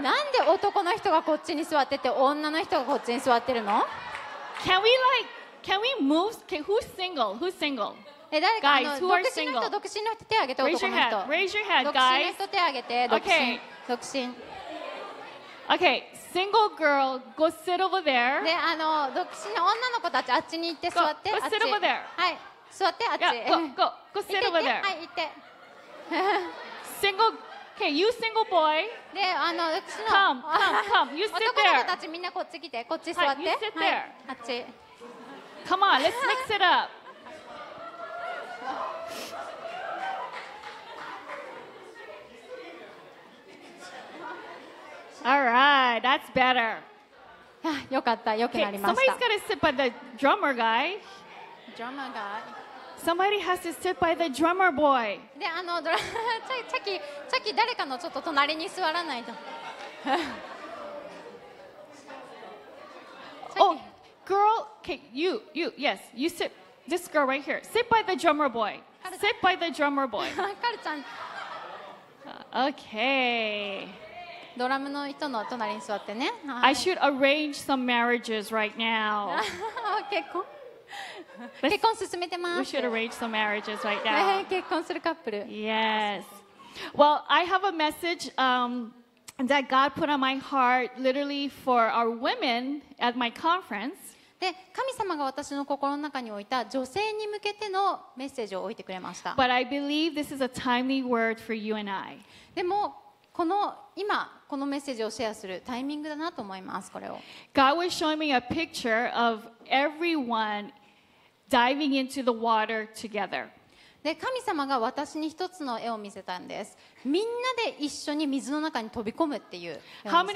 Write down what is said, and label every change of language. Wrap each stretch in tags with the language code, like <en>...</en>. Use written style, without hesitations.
<ja>なんで男の人がこっちに座ってて女の人がこっちに座ってるの?</ja> <en>Can we move? Can, who's single? Who's single? Guys, who are single?</en> <ja>独身の人手挙げて</ja> <en>Raise your hand. Raise your hand, guys.</en> <ja>独身の人手挙げて</ja> <en>Okay.</en> <ja>独身</ja> <en>Okay. Single girl, go sit over there.</en> <ja>で、あの独身の女の子たちあっちに行って座って</ja> <en>Go, go sit over there.</en> <ja>はい。座ってあっち。</ja> <en>Yeah, go, go, go sit over there.</en> <ja>はい、行って。</ja> <en>single, okay, you single boy.</en> <ja>で、あの、うちの。</ja> <en>Come, come, come. You sit there.</en> <ja>男の子たちみんなこっち来て、こっち座って。</ja> <en>はい、you sit there.</en> <ja>はい、あっち。</ja> <en>Come on, let's mix it up. All right, that's better.</en> <ja>よかった、よくなりました。</ja> <en>Okay, somebody's got to sit by the drummer guy. Drummer guy. Somebody has to sit by the drummer boy.</en> <ja>で、あの、チャキ誰かのちょっと隣に座らないと。</ja> <en>Oh, girl, okay, you, yes, you sit. This girl right here, sit by the drummer boy. Sit by the drummer boy.</en> <ja>カルちゃん。</ja> <en>Okay.</en> <ja>ドラムの人の隣に座ってね。</ja> <en>I should arrange some marriages right now.</en> <ja>結婚。結婚進めてます。</ja> <en>We should arrange some marriages right now.</en> <ja>結婚するカップル。</ja> <en>Yes. Well, I have a message, that God put on my heart literally for our women at my conference.</en> <ja>で、神様が私の心の中に置いた女性に向けてのメッセージを置いてくれました。</ja> <en>But I believe this is a timely word for you and I.</en> <ja>でも、この今このメッセージをシェアするタイミングだなと思います。これを。</ja> <en>God was showing me a picture of everyone. Diving into the water together.</en> <ja>で、神様が私に一つの絵を見せたんです。みんなで一緒に水の中に飛び込むっていう絵を見せました。</ja>